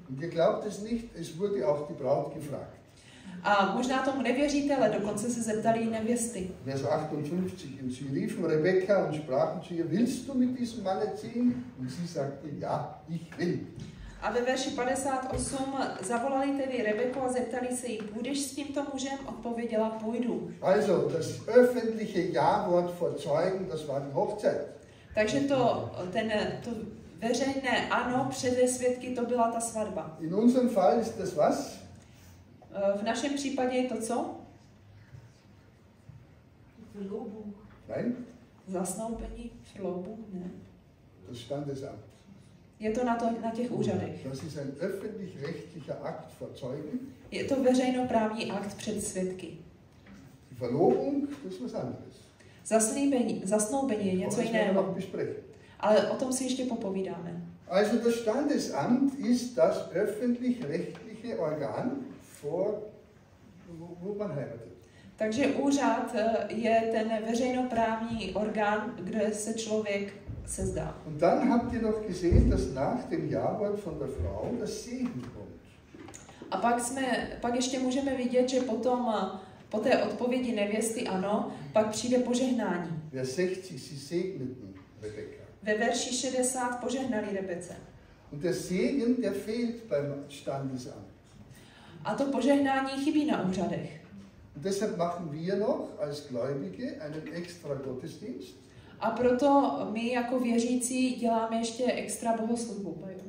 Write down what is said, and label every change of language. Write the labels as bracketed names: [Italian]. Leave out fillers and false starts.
[German] Und ihr glaubt es nicht, es wurde auch die Braut gefragt. [Czech] A možná tomu nevěříte, ale dokonce se zeptali i nevěsty. [German] Vers 58. Und sie riefen Rebekka und sprachen zu ihr, willst du mit diesem Manne ziehen? Und sie sagte, ja, ich will. [Czech] A ve verši 58. Zavolali tedy Rebeku a zeptali se jí, budeš s tímto mužem? Odpověděla, půjdu. [German] Also, das öffentliche Ja-Wort vor Zeugen, das war die Hochzeit. [Czech] Takže to veřejné ano, přede svědky, to byla ta svatba. [German] In unserem Fall ist das was? [Czech] V našem případě je to co? [German] Verlobung. Nein. [Czech] Zasnoupení, Verlobung, ne. [German] Das Standesamt. [Czech] Je to na těch úřadech. [German] Das ist ein öffentlich-rechtlicher Akt vor Zeugen. [Czech] Je to veřejnoprávní akt před svědky. [German] Die Verlobung, das ist was anderes. [Czech] Zasnoubení je něco jiného. Ale o tom si ještě popovídáme. [German] Also das Standesamt ist das öffentlich-rechtliche Organ, wo man heiratet. [Czech] Takže úřad je ten veřejnoprávní orgán, kde se člověk sezdá. [German] Und dann habt ihr noch gesehen, dass nach dem Ja-Wort von der Frau das Segen kommt. [Czech] A pak ještě můžeme vidět, že potom po té odpovědi nevěsty ano, pak přijde požehnání. [German] Vers 60, sie segneten Rebekka. [Czech] Ve verši 60 požehnali Rebece. [German] Und der Segen, der fehlt beim Standesamt. [Czech] A to požehnání chybí na úřadech. [German] Deshalb machen wir noch als Gläubige einen extra Gottesdienst. [Czech] A proto my jako věřící děláme ještě extra bohoslužbu.